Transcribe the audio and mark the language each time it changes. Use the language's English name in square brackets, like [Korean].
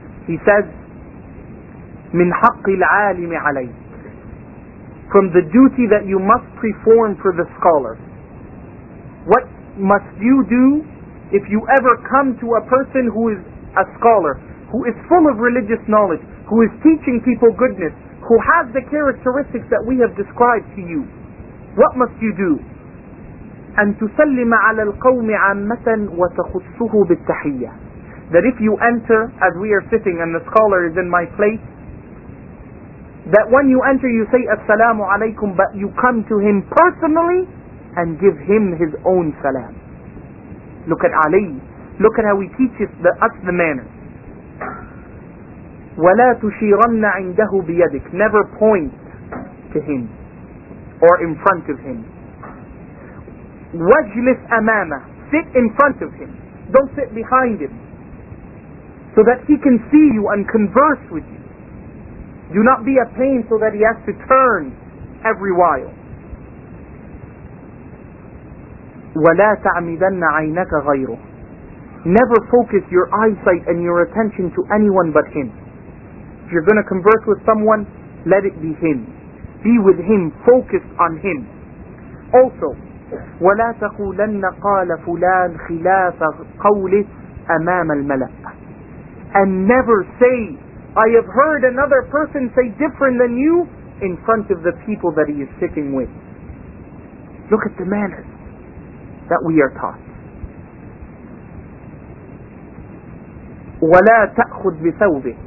[English] He says, [Arabic] مِنْ حَقِّ الْعَالِمِ عَلَيْكِ, [English] from the duty that you must perform for the scholar. What must you do if you ever come to a person who is a scholar, who is full of religious knowledge, who is teaching people goodness, who has the characteristics that we have described to you? What must you do? [Arabic] أن تسلم على القوم عامة وتخصه بالتحية, [English] that that if you enter, as we are sitting and the scholar is in my place, that when you enter you say assalamu alaykum, but you come to him personally and give him his own salam. Look at Ali. Look at how he teaches us the manner. [Arabic] وَلَا تُشِيرَنَّ عِنْدَهُ بِيَدِكَ. [English] Never point to him or in front of him. [Arabic] وَجْلِسْ أَمَامَ. [English] Sit in front of him. Don't sit behind him, so that he can see you and converse with you. Do not be a pain so that he has to turn every while. [Arabic] وَلَا تَعْمِدَنَّ عَيْنَكَ غَيْرُهُ. [English] Never focus your eyesight and your attention to anyone but him. If you're going to converse with someone, let it be him. Be with him, focus on him. Also, [Arabic] وَلَا تَقُولَنَّ قَالَ فُلَان خِلَافَ قَوْلِهِ أَمَامَ الْمَلَأِ. [English] And never say, I have heard another person say different than you in front of the people that he is sitting with. Look at the manners that we are taught. [Arabic] وَلَا تَأْخُذْ بِثَوْبِهِ.